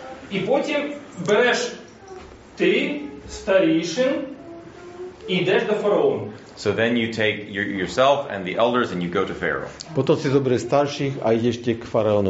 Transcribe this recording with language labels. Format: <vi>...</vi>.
<uk>І потім береш ти старішин ідеш до фараона.</uk> <en>So then you take yourself and the elders and you go to Pharaoh.</en> <rue>Потім ти зібереш старших, а йдеш до фараона.</rue>